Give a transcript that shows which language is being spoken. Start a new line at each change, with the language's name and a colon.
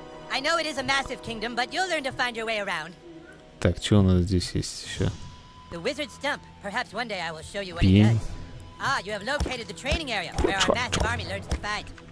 English: I know it is a massive kingdom, but you'll learn to find your way around.
Russian: Так, что у нас здесь есть еще?
English: The wizard stump. Perhaps one day I will show you what it does. Ah, you have located the training area where our massive army learns to fight.